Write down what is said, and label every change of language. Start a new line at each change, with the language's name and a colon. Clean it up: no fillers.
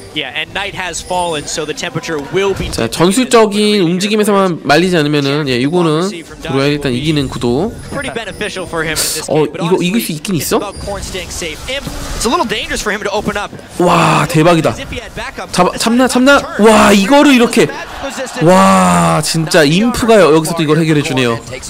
English: Yeah, and night has fallen, so the temperature will be.
Korean: 자 전술적인 움직임에서만 말리지 않으면은 예 이거는 브로야 일단 이기는 구도.
English: Pretty beneficial for him.
Korean: 어 이거 이길 수 있긴 있어?
English: It's a little dangerous for him to open up.
Korean: 와 대박이다. 참나 와 이거를 이렇게 와 진짜 인프가 여기서 또 이걸 해결해 주네요.